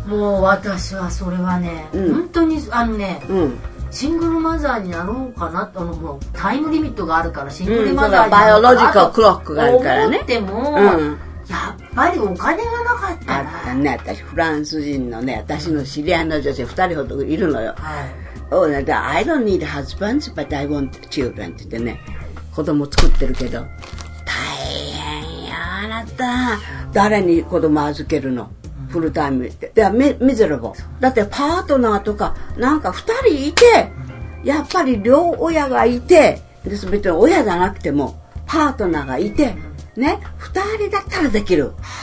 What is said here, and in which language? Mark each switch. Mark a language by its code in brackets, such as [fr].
[ja] もう私はそれはね、うん、本当にあのね、うん、シングルマザーになろうかなと、もうタイムリミットがあるからシングルマザーになろうかな、うん、バイオロジカルクロックがあるからね、思っても、うん、やっぱりお金がなかったらあったね。私フランス人のね、私の知り合いの女性2人ほどいるのよ、はい、 [en] oh, that I don't need husbands but I want children [ja] って言ってね、子供作ってるけど大変よ。あなた誰に子供預けるの、うん、フルタイムって。ではミゼラブル。だってパートナーとかなんか2人いて、うん、やっぱり両親がいてで、別に親じゃなくてもパートナーがいて、ね、2人だったらできる。